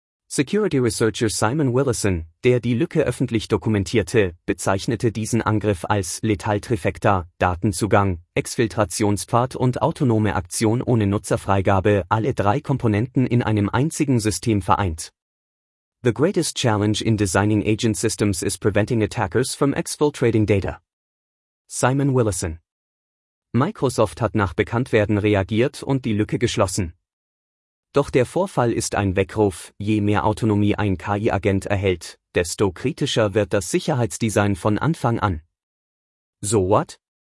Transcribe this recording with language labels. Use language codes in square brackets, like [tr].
[de] Security Researcher Simon Willison, der die Lücke öffentlich dokumentierte, bezeichnete diesen Angriff als Lethal Trifecta, Datenzugang, Exfiltrationspfad und autonome Aktion ohne Nutzerfreigabe, alle drei Komponenten in einem einzigen System vereint. [en] The greatest challenge in designing agent systems is preventing attackers from exfiltrating data. Simon Willison. [de] Microsoft hat nach Bekanntwerden reagiert und die Lücke geschlossen. Doch der Vorfall ist ein Weckruf, je mehr Autonomie ein KI-Agent erhält, desto kritischer wird das Sicherheitsdesign von Anfang an. [en] So what?